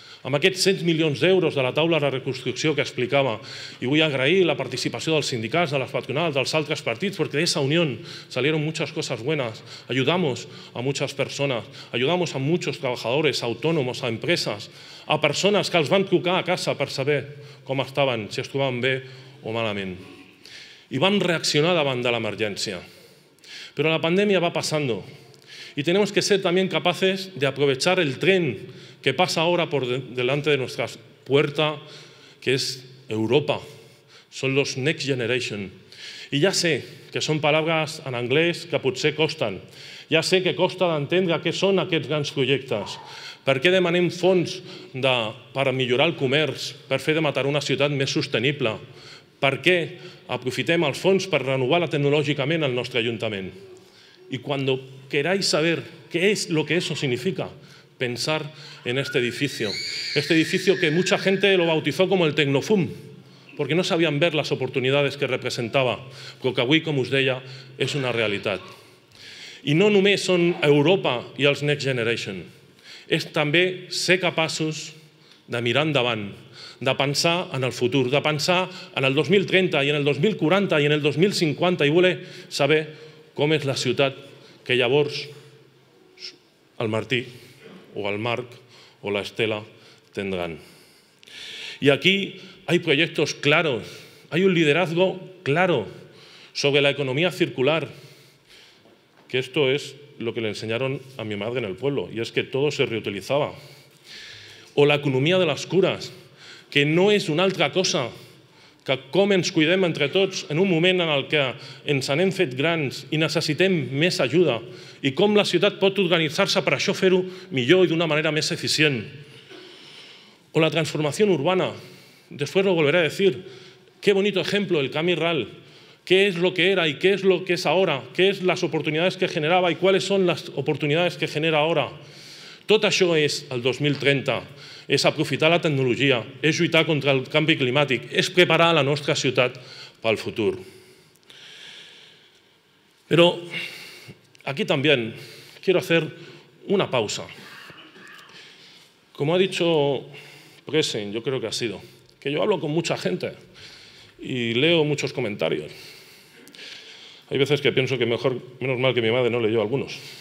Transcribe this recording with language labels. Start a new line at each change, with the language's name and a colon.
Catalan: Amb aquests 100 milions d'euros de la taula de reconstrucció que explicava, i vull agrair la participació dels sindicats, de les patronals, dels altres partits, perquè d'aquesta unió salieron moltes coses bones. Ajudamos a moltes persones, ajudamos a molts treballadors, autònoms, a empreses, a persones que els van trucar a casa per saber com estaven, si es trobaven bé o malament. I vam reaccionar davant de l'emergència. Però la pandèmia va passant.
Spanish: Y tenemos que ser también capaces de aprovechar el tren que pasa ahora por delante de nuestra puerta, que es Europa. Son los Next Generation. Y ya sé que son palabras en
Catalan: anglès que potser costen. Ja sé que costa d'entendre què són aquests grans projectes, per què demanem fons per millorar el comerç, per fer de Mataró una ciutat més sostenible, per què aprofitem els fons per renovar tecnològicament el nostre ajuntament.
Spanish: Y cuando queráis saber qué es lo que eso significa, pensar en este edificio. Este edificio que mucha gente lo bautizó como el Tecnofum, porque no sabían ver las oportunidades que representaba, pero que
Catalan: avui, com us deia, es una realitat. Y no només son Europa y els Next Generation. Es també ser capaços de mirar endavant, de pensar en el futur, de pensar en el 2030 i en el 2040 i en el 2050 i voler saber com és la ciutat que llavors
Spanish: el Martí, o el Marc, o la Estela tendrán. Y aquí hay proyectos claros, hay un liderazgo claro sobre la economía circular, que esto es lo que le enseñaron a mi madre en el pueblo, y es que todo se reutilizaba. O la economía de las curas, que no es una otra cosa
Catalan: que com ens cuidem entre tots en un moment en el que ens anem fet grans i necessitem més ajuda i com la ciutat pot organitzar-se per això fer-ho millor i d'una manera més eficient.
Spanish: O la transformación urbana. Después lo volveré a decir. Qué bonito ejemplo el Camí Ral. ¿Qué es lo que era y qué es lo que es ahora? ¿Qué es las oportunidades que generaba y cuáles son las oportunidades que genera ahora?
Catalan: Tot això és el 2030. És aprofitar la tecnologia, és lluitar contra el canvi climàtic, és preparar la nostra ciutat pel futur. Però aquí també
Spanish: quiero hacer una pausa. Como ha dicho Presen, yo creo que ha sido, que yo hablo con mucha gente y leo muchos comentarios. Hay veces que pienso que mejor, menos mal que mi madre no leyó algunos.